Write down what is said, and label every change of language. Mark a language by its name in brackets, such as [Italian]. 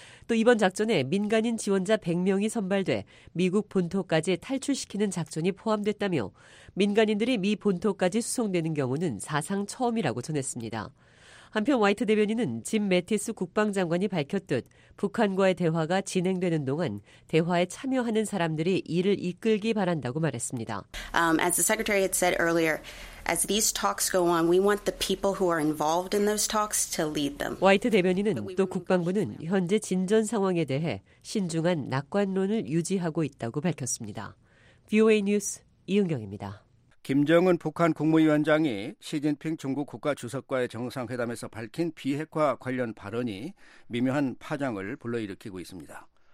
[Korean] 또 이번 작전에 민간인 지원자 100명이 선발돼 미국 본토까지 탈출시키는 작전이 포함됐다며 민간인들이 미 본토까지 수송되는 경우는 사상 처음이라고 전했습니다. 한편 화이트 대변인은 짐 매티스 국방장관이 밝혔듯 북한과의 대화가 진행되는 동안 대화에 참여하는 사람들이 이를 이끌기 바란다고 말했습니다. [English] As the secretary had said earlier, as these talks go on, we want the people who are involved in those talks to lead them. [Korean] 화이트 대변인은 또 국방부는 현재 진전 상황에 대해 신중한 낙관론을 유지하고 있다고 밝혔습니다. VOA 뉴스 이은경입니다. 김정은 북한 국무위원장이 시진핑 중국 국가주석과의 정상회담에서 밝힌 비핵화 관련 발언이 미묘한 파장을 불러일으키고 있습니다.